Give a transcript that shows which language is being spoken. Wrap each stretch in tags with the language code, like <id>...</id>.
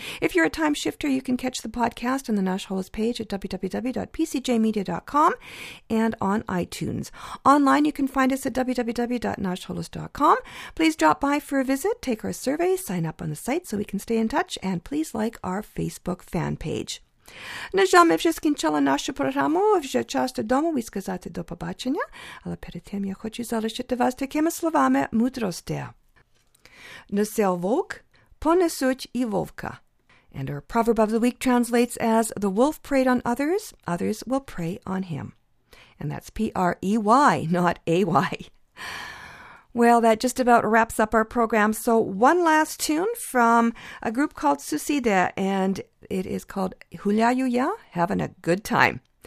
<en>If you're a time shifter, you can catch the podcast on the Nash Holos page at www.pcjmedia.com and on iTunes. Online, you can find us at www.nashholos.com. Please drop by for a visit, take our survey, sign up on the site so we can stay in touch, and please like our Facebook fan page.</en> <uk>На жаль, ми вже скінчили нашу програму, вже час додому, ви сказати до побачення, але перед тим я хочу залишити вас такими словами мудрості. Носив вовк, понесуть і вовка.</uk> <en>And our proverb of the week translates as, the wolf preyed on others, others will prey on him. And that's P-R-E-Y, not A-Y. Well, that just about wraps up our program. So one last tune from a group called Susida, and it is called Hulayuya, having a good time.</en>